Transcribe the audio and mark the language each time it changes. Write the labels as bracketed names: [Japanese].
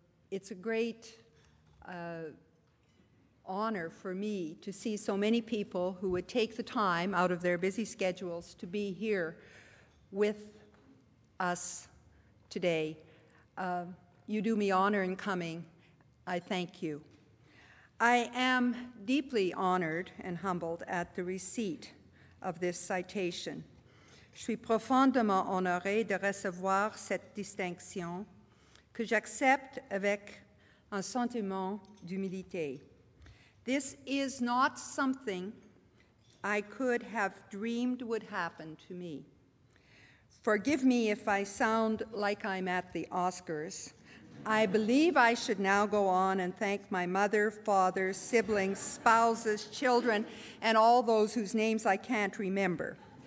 [English] It's a great honor for me to see so many people who would take the time out of their busy schedules to be here with us today. You do me honor in coming. I thank you. I am deeply honored and humbled at the receipt of this citation. [French] Je suis profondément honoré de recevoir cette distinction que j'accepte avec un sentiment d'humilité. [English] This is not something I could have dreamed would happen to me. Forgive me if I sound like I'm at the Oscars. I believe I should now go on and thank my mother, father, siblings, spouses, children, and all those whose names I can't remember.